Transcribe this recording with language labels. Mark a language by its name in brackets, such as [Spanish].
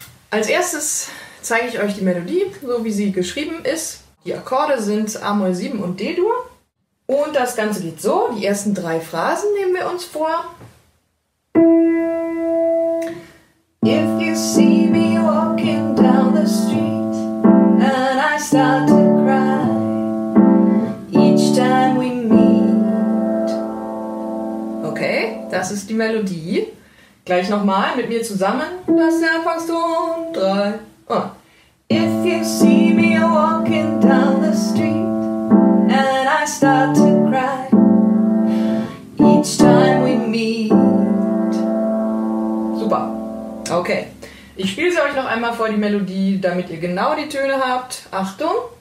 [German] Als erstes zeige ich euch die Melodie, so wie sie geschrieben ist. Die Akkorde sind A-Moll 7 und D-Dur. Und das Ganze geht so. Die ersten 3 Phrasen nehmen wir uns vor. [English] If you see me walking down the street and I start to cry each time we meet. [German] Okay, das ist die Melodie. Gleich nochmal mit mir zusammen. Das ist der Anfangston. 3. [English] If you see me walking down the street and I start to cry each time we meet. [German] Super. Okay. Ich spiele sie euch noch einmal vor, die Melodie, damit ihr genau die Töne habt. Achtung.